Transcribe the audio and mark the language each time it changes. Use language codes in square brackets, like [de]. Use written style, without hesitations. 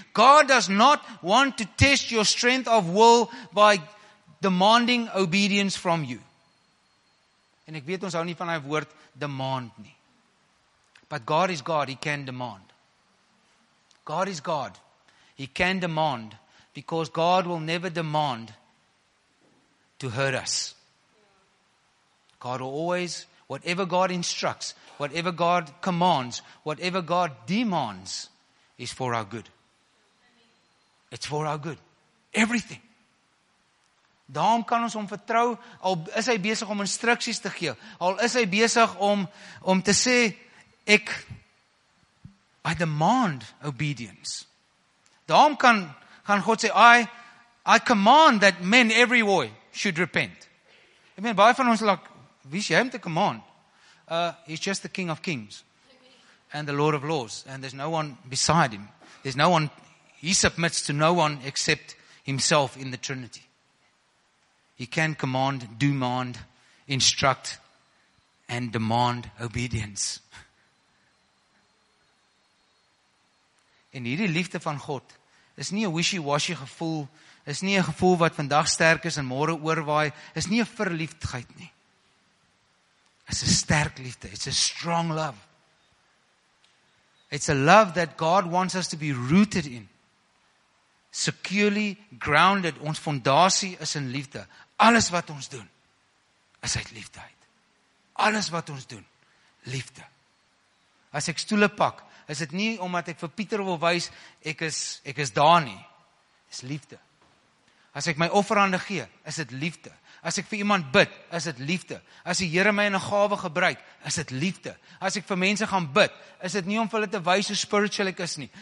[en] God does not want to test your strength of will by demanding obedience from you. [af] En ek weet ons hou nie van die woord demand nie. [en] But God is God, He can demand. God is God, He can demand, because God will never demand to hurt us. God will always, whatever God instructs, whatever God commands, whatever God demands, is for our good. It's for our good. Everything. [af] Daarom kan ons hom vertrou, al is hy besig om instructies te gee, al is hy besig om te sê, ek, [en] I demand obedience. [af] Daarom kan God sê, [en] I command that men everywhere should repent. [af] Ek meen, baie van ons like, wie is jy om te command? [en] He's just the King of Kings and the Lord of Lords, and there's no one beside him. There's no one, he submits to no one except himself in the Trinity. He can command, demand, instruct, and demand obedience. [af] En hierdie liefde van God, is nie 'n wishy-washy gevoel, is nie 'n gevoel wat vandag sterk is en môre oorwaai, is nie 'n verliefdheid nie. [en] It's a [af] sterk liefde, [en] it's a strong love. It's a love that God wants us to be rooted in. Securely grounded, [af] ons fondasie is in liefde. Alles wat ons doen, is uit liefde uit. Alles wat ons doen, liefde. As ek stoele pak, is dit nie omdat ek vir Pieter wil wys, ek is daar nie. Dis liefde. As ek my offerande gee, is dit liefde. As ek vir iemand bid, is dit liefde. As die Here my in 'n gawe gebruik, is dit liefde. As ek vir mense gaan bid, is dit nie om vir hulle te wys hoe spiritual ek is nie.